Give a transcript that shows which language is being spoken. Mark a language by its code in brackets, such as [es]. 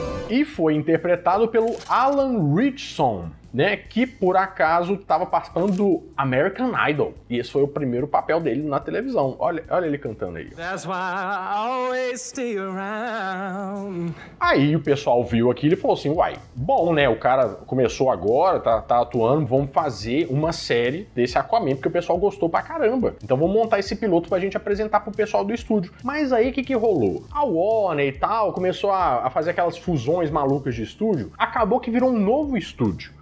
[pt] E foi interpretado pelo Alan Ritchson, né, que por acaso estava participando do American Idol. E esse foi o primeiro papel dele na televisão. Olha ele cantando aí. [en] That's why I always stay around. [pt] Aí o pessoal viu aquilo e falou assim, uai, bom, né, o cara começou agora, tá atuando, vamos fazer uma série desse Aquaman, porque o pessoal gostou pra caramba. Então vamos montar esse piloto pra gente apresentar pro pessoal do estúdio. Mas aí o que rolou? A Warner e tal começou a fazer aquelas fusões malucas de estúdio, acabou que virou um novo estúdio.